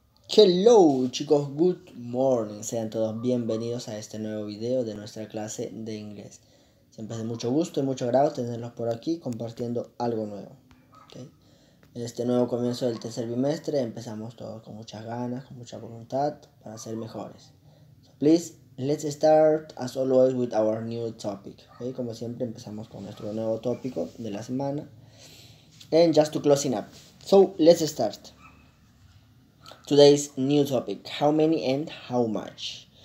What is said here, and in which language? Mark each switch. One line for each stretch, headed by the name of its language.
Spanish: Hello chicos,
English: good morning,
Spanish: sean todos bienvenidos a este nuevo video de nuestra clase de inglés. Siempre es de mucho gusto y mucho agrado tenerlos por aquí compartiendo algo nuevo, ¿okay? En este nuevo comienzo del tercer bimestre empezamos todos con muchas ganas, con mucha voluntad para ser mejores.
English: So please, let's start as always with our new topic, ¿okay?
Spanish: Como siempre empezamos con nuestro nuevo tópico de la semana.
English: And just to closing up, so let's start. Today's new topic, how many and how much?